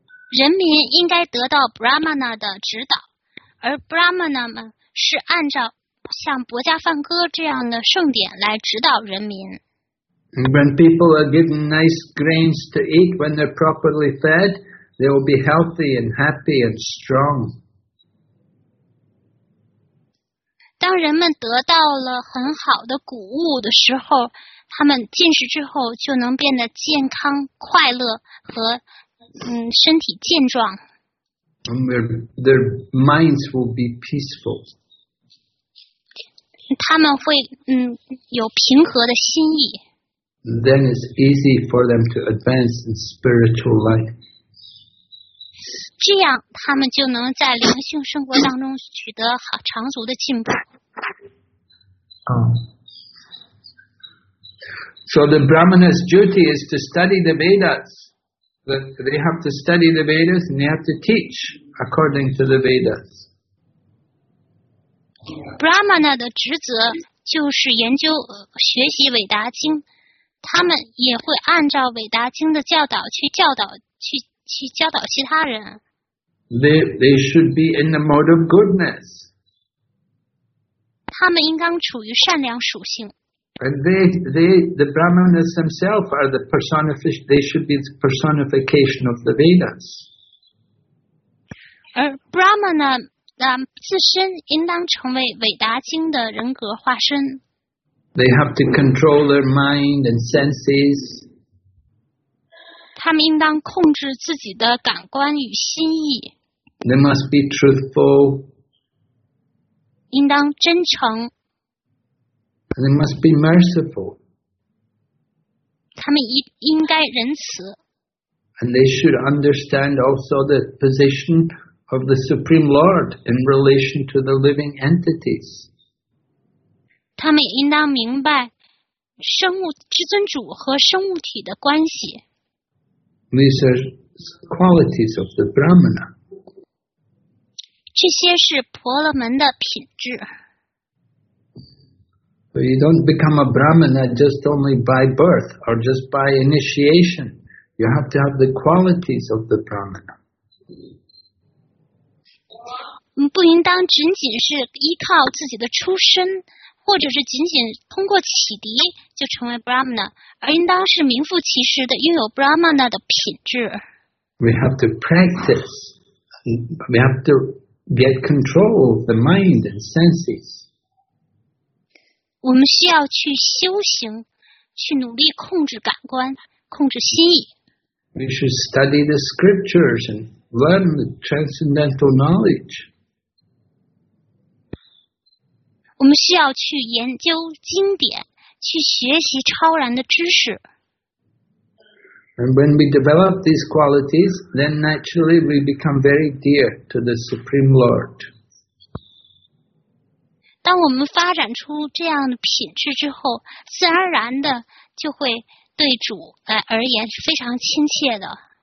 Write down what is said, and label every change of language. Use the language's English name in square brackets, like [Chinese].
[Chinese] 人民应该得到Brahmana的指导，而Brahmana们是按照 像《国家梵歌》这样的圣典来指导人民。 [English] When people are given nice grains to eat when they're properly fed, they will be healthy and happy and strong. [Chinese] 当人们得到了很好的谷物的时候，他们进食之后就能变得健康、快乐和身体健壮。 [English] And their minds will be peaceful. [Chinese] 他们会有平和的心意。 [English] Then it's easy for them to advance in spiritual life. [Chinese] 这样他们就能在灵性生活当中取得好长足的进步。 [English] So the Brahmana's duty is to study the Vedas. They have to study the Vedas and they have to teach according to the Vedas. [Chinese] Brahmana 的职责就是研究学习韦达经，他们也会按照韦达经的教导去教导去教导其他人。 [English] They should be in the mode of goodness. [Chinese] 他们应当处于善良属性。 [English] And the Brahmanas themselves are the personification. They should be the personification of the Vedas. [Chinese] 而 Brahmana 自身应当成为韦达经的人格化身。 [English] They have to control their mind and senses. [Chinese] 他们应当控制自己的感官与心意。 [English] They must be truthful. [Chinese] 应当真诚。 [English] They must be merciful. [Chinese] 他们应该仁慈。 [English] And they should understand also the position of the Supreme Lord in relation to the living entities. [Chinese] 他们应当明白生物至尊主和生物体的关系。 [English] These are qualities of the Brahmana. [Chinese] 这些是婆罗门的品质。 [English] So you don't become a Brahmana just only by birth or just by initiation. You have to have the qualities of the Brahmana. [Chinese] 不应当仅仅是依靠自己的出身，或者是仅仅通过启迪就成为 Brahmana， 而应当是名副其实的拥有 Brahmana 的品质。 [English] We have to practice. We have to get control of the mind and senses. [Chinese] 我们需要去修行，去努力控制感官，控制心意。 [English] We should study the scriptures and learn the transcendental knowledge. [Chinese] 我们需要去研究经典，去学习超然的知识。 [English] And when we develop these qualities, then naturally we become very dear to the Supreme Lord. [Chinese] 当我们发展出这样的品质之后，自然而然的就会对主而言是非常亲切的。